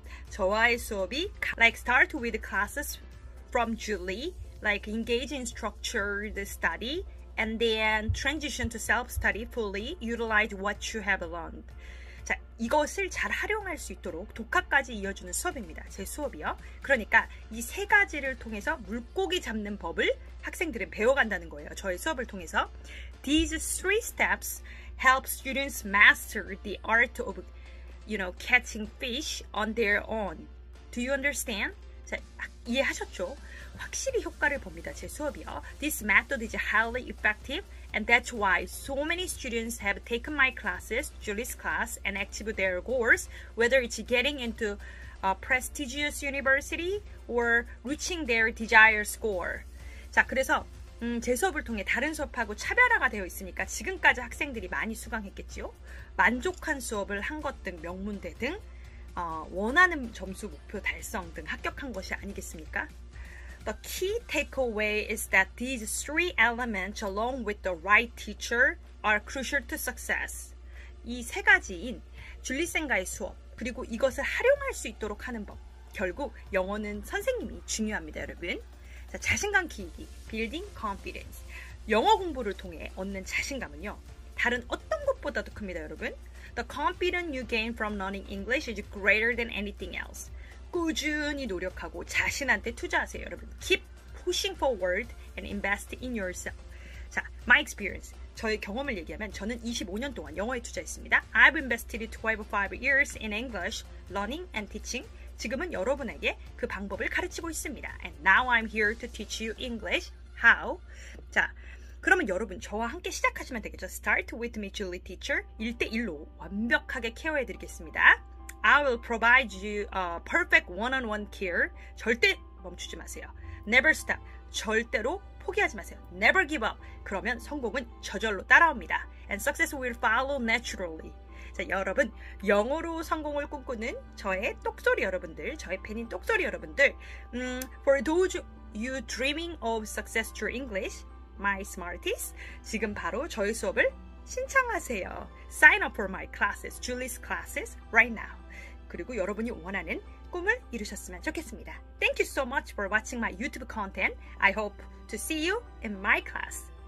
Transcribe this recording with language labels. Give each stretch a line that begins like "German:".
Korean: 저와의 수업이
English: like start with classes from Julie, like engage in structured study, and then transition to self-study fully, utilize what you have learned.
Korean: 자, 이것을 잘 활용할 수 있도록 독학까지 이어주는 수업입니다. 제 수업이요. 그러니까 이 세 가지를 통해서 물고기 잡는 법을 학생들은 배워간다는 거예요. 저의 수업을 통해서.
English: These three steps help students master the art of, you know, catching fish on their own. Do you understand?
Korean: 자, 이해하셨죠? 확실히 효과를 봅니다. 제 수업이요.
English: This method is highly effective. And that's why so many students have taken my classes, Julie's class, and achieved their goals, whether it's getting into a prestigious university or reaching their desired score.
Korean: 자, 그래서 제 수업을 통해 다른 수업하고 차별화가 되어 있으니까 지금까지 학생들이 많이 수강했겠지요? 만족한 수업을 한 것 등 명문대 등 원하는 점수 목표 달성 등 합격한 것이 아니겠습니까?
English: The key takeaway is that these three elements along with the right teacher are crucial to success.
Korean: 이 세 가지인 줄리쌤과의 수업, 그리고 이것을 활용할 수 있도록 하는 법. 결국 영어는 선생님이 중요합니다, 여러분. 자, 자신감 키우기,
English: building confidence.
Korean: 영어 공부를 통해 얻는 자신감은요, 다른 어떤 것보다도 큽니다, 여러분.
English: The confidence you gain from learning English is greater than anything else.
Korean: 꾸준히 노력하고 자신한테 투자하세요, 여러분.
English: Keep pushing forward and invest in yourself. 자, my experience.
Korean: 저의 경험을 얘기하면 저는 25년 동안 영어에 투자했습니다.
English: I've invested 25 years in English, learning and teaching.
Korean: 지금은 여러분에게 그 방법을 가르치고 있습니다.
English: And now I'm here to teach you English. How?
Korean: 자, 그러면 여러분 저와 함께 시작하시면 되겠죠.
English: Start with me, Julie teacher.
Korean: 1대1로 완벽하게 케어해드리겠습니다.
English: I will provide you a perfect one-on-one care.
Korean: 절대 멈추지 마세요.
English: Never stop.
Korean: 절대로 포기하지 마세요.
English: Never give up.
Korean: 그러면 성공은 저절로 따라옵니다.
English: And success will follow naturally.
Korean: 자, 여러분, 영어로 성공을 꿈꾸는 저의 똑소리 여러분들, 저의 팬인 똑소리 여러분들,
English: for those you dreaming of success through English, my smarties,
Korean: 지금 바로 저의 수업을 신청하세요.
English: Sign up for my classes, Julie's classes, right now.
Korean: 그리고 여러분이 원하는 꿈을 이루셨으면 좋겠습니다.
English: Thank you so much for watching my YouTube content. I hope to see you in my class.